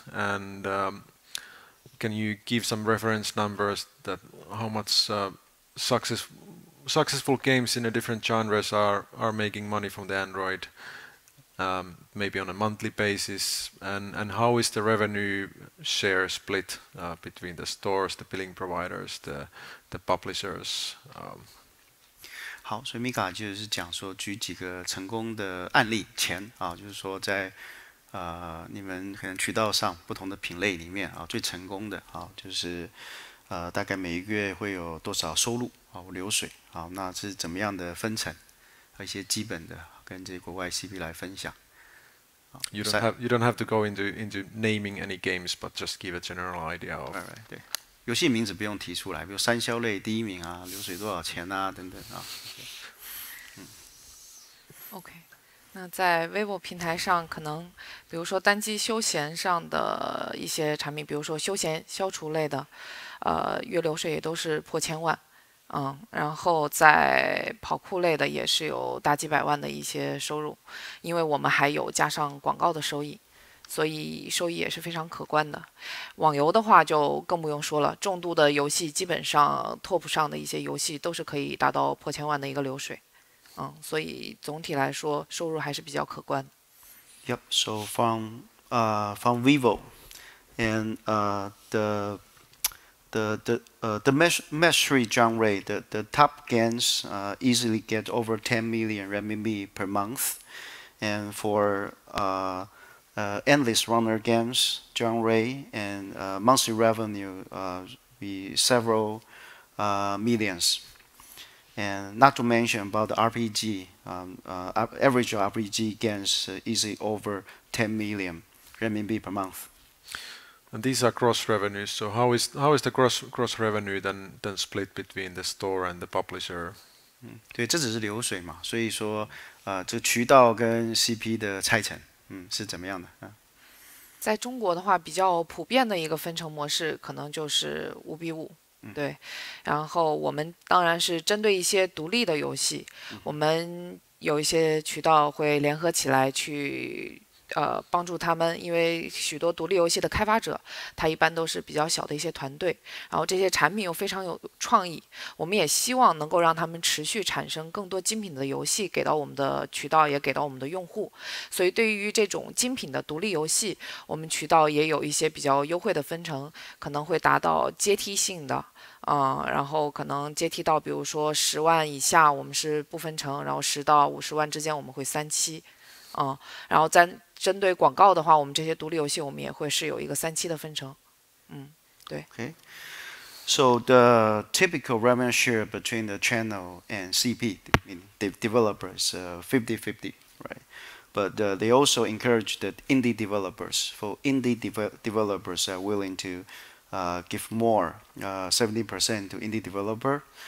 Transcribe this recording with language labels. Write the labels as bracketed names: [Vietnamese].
[English] And can you give some reference numbers that how much successful games in the different genres are making money from the Android? Maybe on a monthly basis, and how is the revenue share split between the stores, the billing providers, the publishers? [Chinese] 好，所以 Mika 就是讲说举几个成功的案例，钱啊，就是说在你们可能渠道上不同的品类里面啊，最成功的啊，就是大概每一个月会有多少收入啊，流水啊，那是怎么样的分成，和一些基本的。跟这国外 CP 来分享。 [English] You don't have to go into naming any games, but just give a general idea of. Right. [Chinese] 对，游戏名字不用提出来，比如三消类第一名啊，流水多少钱啊，等等啊。 OK， 那在 Vivo 平台上，可能比如说单机休闲上的一些产品，比如说休闲消除类的，月流水也都是破千万。然后在跑酷类的也是有大几百万的一些收入，因为我们还有加上广告的收益，所以收益也是非常可观的。网游的话就更不用说了，重度的游戏基本上 TOP 上的一些游戏都是可以达到破千万的一个流水，所以总体来说收入还是比较可观。 [English] Yep, so from Vivo and the mastery genre, the top games easily get over 10 million renminbi per month, and for endless runner games genre and monthly revenue be several millions, and not to mention about the RPG, average RPG games easily over 10 million renminbi per month. And these are gross revenues. So how is the gross revenue then split between the store and the publisher? [Chinese] 对，这只是流水嘛，所以说，这渠道跟 CP 的拆成，是怎么样的？在中国的话，比较普遍的一个分成模式可能就是五比五，对。然后我们当然是针对一些独立的游戏，我们有一些渠道会联合起来去。帮助他们，因为许多独立游戏的开发者他一般都是比较小的一些团队，然后这些产品又非常有创意，我们也希望能够让他们持续产生更多精品的游戏给到我们的渠道，也给到我们的用户，所以对于这种精品的独立游戏，我们渠道也有一些比较优惠的分成，可能会达到阶梯性的，然后可能阶梯到比如说十万以下我们是不分成，然后十到五十万之间我们会三期，然后在针对广告的话，我们这些独立游戏我们也会是有一个三期的分成，对。 [English] Okay. So the typical revenue share between the channel and CP developers 50-50, right? But they also encourage the indie developers. For indie developers are willing to give more 70% to indie developer.